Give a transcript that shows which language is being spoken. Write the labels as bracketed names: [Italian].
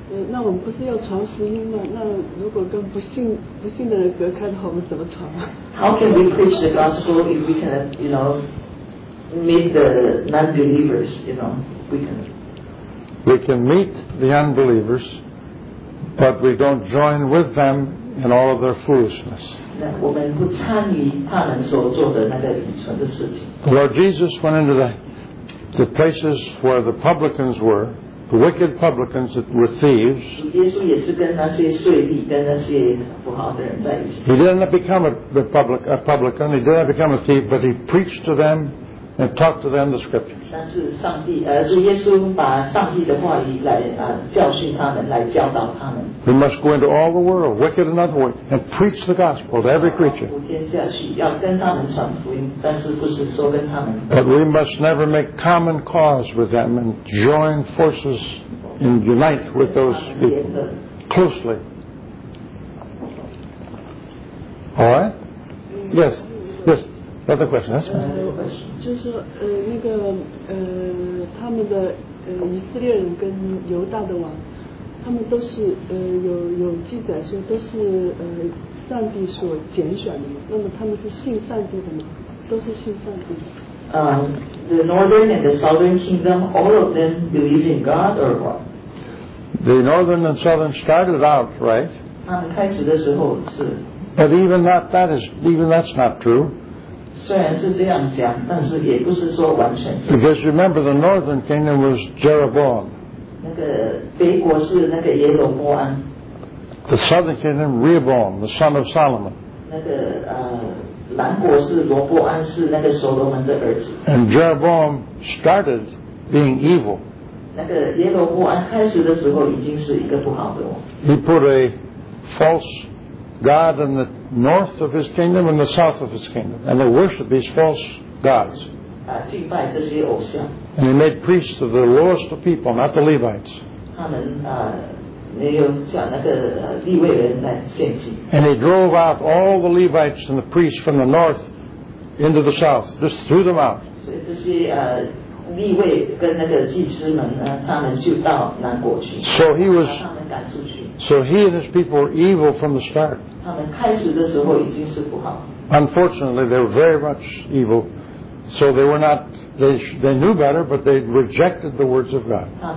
[Chinese] 那我们不是要传福音吗？那如果跟不信的人隔开的话，我们怎么传啊？ [English] How can we preach the gospel if we can, you know, meet the non-believers? You know, we can meet the unbelievers, but we don't join with them in all of their foolishness. [Chinese] 我们不参与他们所做的那个愚蠢的事情。 [English] The Lord Jesus went into the places where the publicans were. The wicked publicans that were thieves. He did not become a publican, he did not become a thief, but he preached to them and talked to them the scriptures. We must go into all the world, wicked in other words, and preach the gospel to every creature. But we must never make common cause with them and join forces and unite with those people closely. All right? Yes. Yes. Another question. That's fine. [Chinese] 就是那个他们的以色列人跟犹大的王，他们都是有记载说都是上帝所拣选的嘛，那么他们是信上帝的吗？都是信上帝的。 [English] The northern and the southern kingdom, all of them believe in God or what? The northern and southern started out, right? [Chinese] 开始的时候是。 [English] But even that's not true. [Chinese] 虽然是这样讲，但是也不是说完全是。 [English] Because remember, the northern kingdom was Jeroboam. [Chinese] 那个北国是那个耶罗波安。 [English] The southern kingdom, Rehoboam, the son of Solomon. [Chinese] 那个南国是罗波安，是那个所罗门的儿子。 [English] And Jeroboam started being evil. [Chinese] 那个耶罗波安开始的时候已经是一个不好的王。 [English] He put a false God in the north of his kingdom and the south of his kingdom, and they worship these false gods. [Chinese] 敬拜这些偶像。 [English] And he made priests of the lowest of people, not the Levites. [Chinese] 他们没有叫那个利未人来献祭。 [English] And he drove out all the Levites and the priests from the north into the south, just threw them out. [Chinese] 所以这些利未跟那个祭司们呢，他们就到南国去。 [English] So he was. So he and his people were evil from the start. Unfortunately, they were very much evil. So they were not, they knew better, but they rejected the words of God.